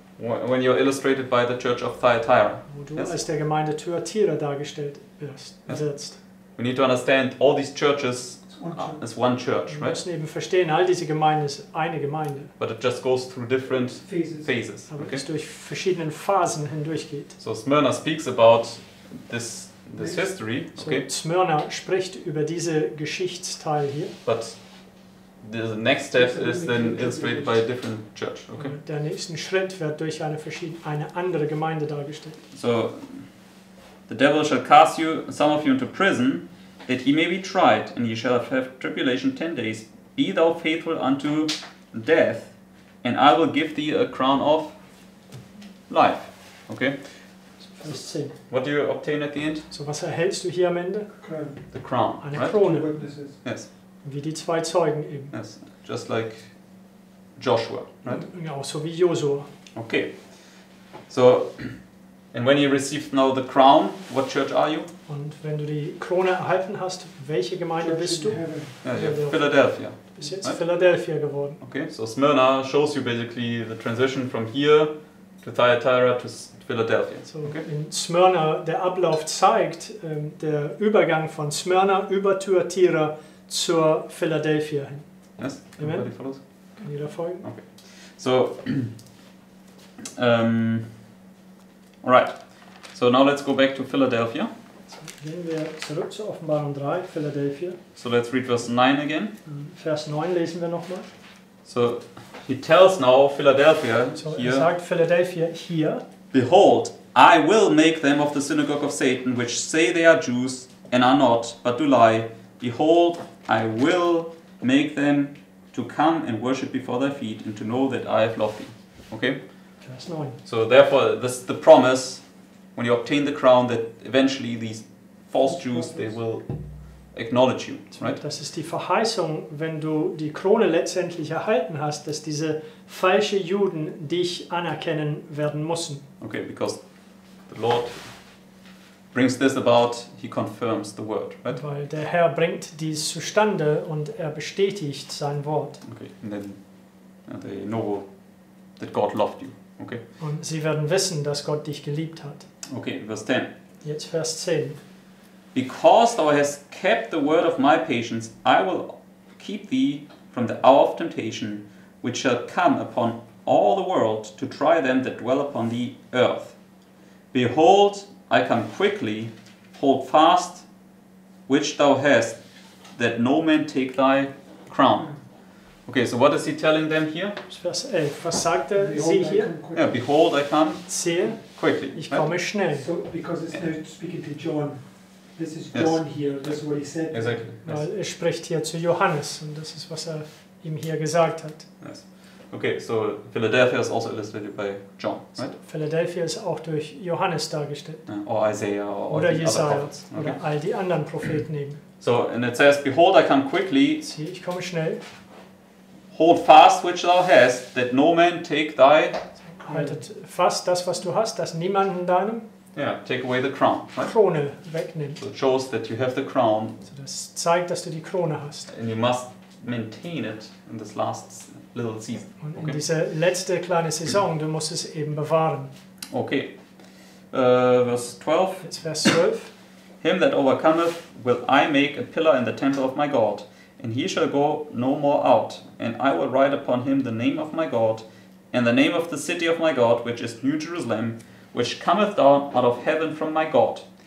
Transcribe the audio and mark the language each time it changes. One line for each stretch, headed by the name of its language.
English: When you're illustrated by the Church of Thyatira.
German: Wo du als der Gemeinde Thyatira dargestellt wirst.
English: Yes. We need to understand all these churches as one church, right?
German: Wir müssen eben verstehen, all diese Gemeinden ist eine Gemeinde.
English: But it just goes through different phases.
German: Aber okay? Es durch verschiedenen Phasen hindurchgeht.
English: So Smyrna speaks about this history. Okay.
German: So Smyrna spricht über diese Geschichtsteil hier.
English: But the next step is then illustrated by a different church. Okay.
German: Der nächste Schritt wird durch eine andere Gemeinde dargestellt.
English: So, the devil shall cast you, some of you, into prison, that he may be tried, and ye shall have tribulation 10 days. Be thou faithful unto death, and I will give thee a crown of life. Okay.
German: Vers 10.
English: What do you obtain at the end?
German: So, was erhältst du hier am Ende?
English: Crown. The crown.
German: Eine
English: right?
German: Krone.
English: Yes.
German: Wie die zwei Zeugen eben.
English: Yes, just like Joshua, right?
German: Ja, so wie Josua.
English: Okay. So, and when you received now the crown, what church are you?
German: Und wenn du die Krone erhalten hast, welche Gemeinde
English: church
German: bist du?
English: Philadelphia.
German: Du bist jetzt
English: right?
German: Philadelphia geworden.
English: Okay, so Smyrna shows you basically the transition from here to Thyatira to Philadelphia. So, okay.
German: In Smyrna, der Ablauf zeigt, der Übergang von Smyrna über Thyatira zur Philadelphia hin.
English: Yes,
German: amen. Kann jeder folgen?
English: Okay. So, alright. So now let's go back to Philadelphia. So,
German: gehen wir zurück zu Offenbarung 3, Philadelphia.
English: So let's read verse 9 again.
German: Vers 9 lesen wir nochmal.
English: So, he tells now Philadelphia so, here.
German: Er sagt Philadelphia hier.
English: Behold, I will make them of the synagogue of Satan, which say they are Jews and are not, but do lie. Behold, I will make them to come and worship before thy feet and to know that I have loved thee. Okay?
German: Vers 9.
English: So therefore, this is the promise, when you obtain the crown, that eventually these false Jews, they will acknowledge you. Right?
German: Das ist die Verheißung, wenn du die Krone letztendlich erhalten hast, dass diese falschen Juden dich anerkennen werden müssen.
English: Okay, because the Lord brings this about, he confirms the word, right?
German: Weil der Herr bringt dies zustande und er bestätigt sein Wort.
English: Okay, and then they know that God loved you, okay?
German: Und sie werden wissen, dass Gott dich geliebt hat.
English: Okay, verse 10.
German: Jetzt Vers 10.
English: Because thou hast kept the word of my patience, I will keep thee from the hour of temptation, which shall come upon all the world to try them that dwell upon the earth. Behold, I come quickly, hold fast, which thou hast, that no man take thy crown. Okay, so what is he telling them here?
German: Vers 11. Was sagt er sie hier?
English: Yeah, behold, I come.
German: Sehe.
English: Quickly.
German: Ich komme schnell.
English: So, because it's now speaking to John. This is John here. That's what he said. Exactly.
German: Weil er spricht hier zu Johannes, und das ist, was er ihm hier gesagt hat.
English: Yes. Okay, so Philadelphia is also illustrated by John, right? So
German: Philadelphia ist auch durch Johannes dargestellt.
English: Yeah, or Isaiah, or
German: oder
English: all
German: Jesaja,
English: other prophets.
German: Okay. Oder all die anderen Propheten eben.
English: So, and it says, behold, I come quickly.
German: Sieh, ich komme schnell.
English: Hold fast which thou hast, that no man take thy...
German: Haltet fast das, was du hast, dass niemanden deinem...
English: Yeah, take away the crown, right?
German: Krone wegnimmt.
English: So it shows that you have the crown.
German: So das zeigt, dass du die Krone hast.
English: And you must maintain it in this last little season.
German: Und in diese letzte kleine Saison, du musst es eben bewahren.
English: Okay. Verse 12.
German: Jetzt Vers 12.
English: Him that overcometh will I make a pillar in the temple of my God, and he shall go no more out, and I will write upon him the name of my God, and the name of the city of my God, which is New Jerusalem, which cometh down out of heaven from my God.